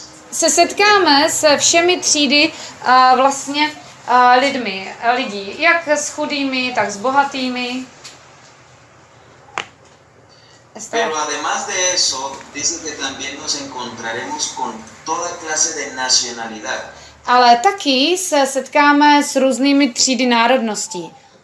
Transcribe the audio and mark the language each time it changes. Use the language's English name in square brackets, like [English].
[Czech] Se setkáme se všemi třídy vlastně lidmi, lidí, jak s chudými, tak s bohatými. [Spanish] Pero además de eso, dice que también nos encontraremos con toda clase de nacionalidad. [Czech] Ale taky se setkáme s různými třídy národností.